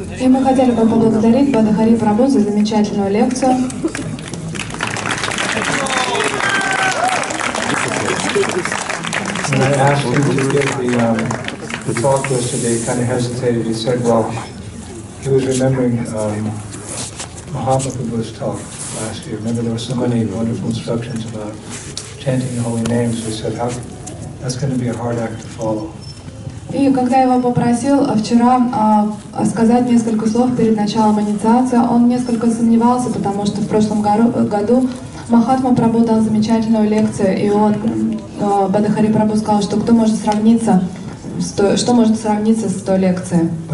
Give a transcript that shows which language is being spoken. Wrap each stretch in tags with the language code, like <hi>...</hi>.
<ru>И мы хотели бы поблагодарить Бадахари Прабу за замечательную лекцию.</ru> <en>When I asked him to give the talk yesterday, he kind of hesitated. He said, well, he was remembering Mahatma Prabhu's talk last year. Remember, there were so many wonderful instructions about chanting the holy names. He said, how, that's going to be a hard act to follow.</en> <ru>И когда я его попросил вчера сказать несколько слов перед началом инициации, он несколько сомневался, потому что в прошлом году Махатма Прабху дал замечательную лекцию, и он Бадахари Прабху сказал, что кто может сравниться с той, что может сравниться с той лекцией.</ru>